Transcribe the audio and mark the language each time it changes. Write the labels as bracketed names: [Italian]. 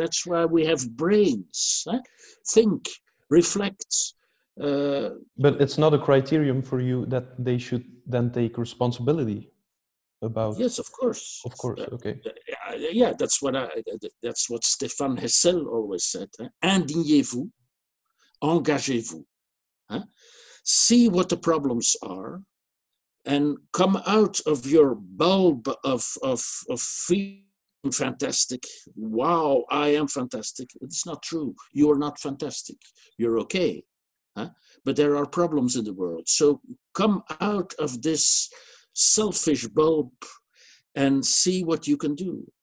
[English] That's why we have brains. Huh? Think, reflect. But it's not a criterion for you that they should then take responsibility. About yes, of course. Of course, okay. Yeah, that's what Stefan Hessel always said. [French] Indignez-vous, engagez-vous. [English] See what the problems are and come out of your bulb of feeling fantastic. Wow, I am fantastic. It's not true. You are not fantastic. You're okay. But there are problems in the world. So come out of this selfish bulb and see what you can do.